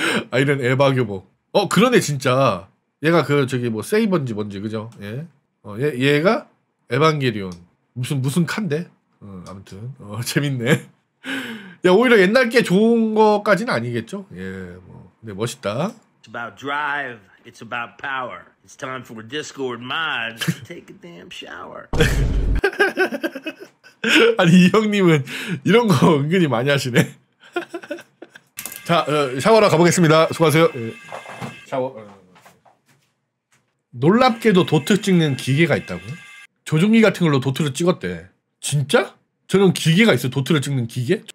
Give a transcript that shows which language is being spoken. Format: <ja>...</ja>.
<ko>아 이런 에바 교복. 그러네 진짜. 얘가 그 저기 뭐 세이번지 뭔지 그죠? 예. 얘가 에반게리온 무슨 칸데? 아무튼 재밌네. 야 오히려 옛날 게 좋은 것까지는 아니겠죠? 예. 뭐 근데 멋있다.</ko> <en>It's about drive. It's about power. It's time for Discord mods to take a damn shower.</en> <ko>아니 이 형님은 이런 거 은근히 많이 하시네. 자, 샤워하러 가보겠습니다. 수고하세요. 샤워. 놀랍게도 도트 찍는 기계가 있다고? 조종기 같은 걸로 도트를 찍었대. 진짜? 저런 기계가 있어? 도트를 찍는 기계?</ko>